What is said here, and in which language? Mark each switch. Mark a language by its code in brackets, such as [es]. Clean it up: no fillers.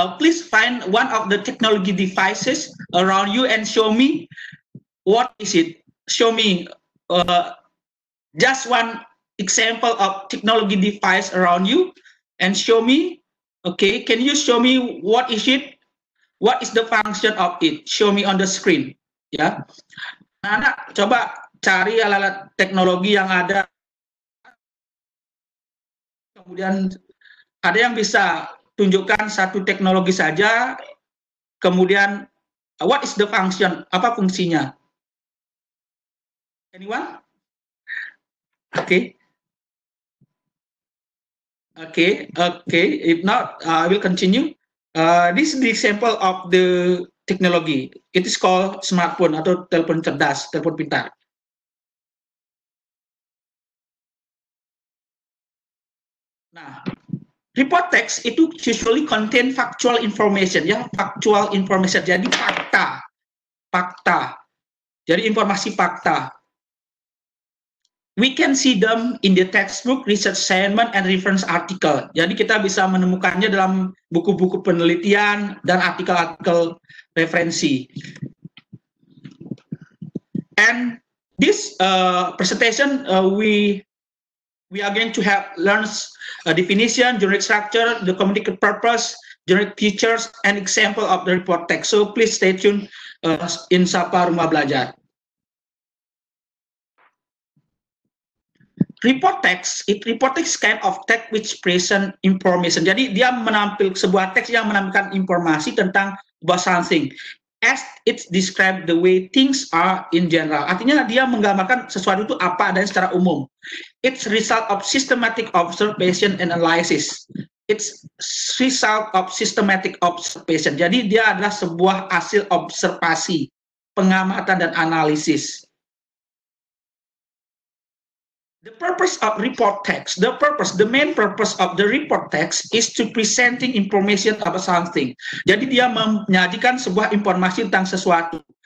[en] Please find one of the technology devices around you and show me what is it. Show me just one example of technology device around you and show me. Okay, can you show me what is it? What is the function of it? Show me on the screen. [id] Ya. Anak-anak, coba cari alat-alat teknologi yang ada. Kemudian ada yang bisa tunjukkan satu teknologi saja. Kemudian, [en] what is the function? [id] Apa fungsinya? [en] Anyone? Okay. If not, I will continue. This is the example of the technology. It is called smartphone [id] atau telepon cerdas, telepon pintar. Nah, [en] report text itu usually contain factual information, [id] ya, [en] factual information. [id] Jadi fakta. Jadi informasi fakta. [en] We can see them in the textbook, research assignment, and reference article. [id] Jadi kita bisa menemukannya dalam buku-buku penelitian dan artikel-artikel referensi. [en] And this presentation, we are going to have learn definition, generic structure, the communicative purpose, generic features, and example of the report text. So please stay tuned in Sapa Rumah Belajar. Report text kind of text which present information. [id] Jadi dia menampil sebuah teks yang menampilkan informasi tentang [en] about something. As it describes the way things are in general. [id] Artinya dia menggambarkan sesuatu itu apa adanya secara umum. [en] It's result of systematic observation and analysis. It's result of systematic observation. [id] Jadi dia adalah sebuah hasil observasi, pengamatan dan analisis. [en] The purpose of report text, the main purpose of the report text is to presenting information about something. [id] Jadi dia menyajikan sebuah informasi tentang sesuatu.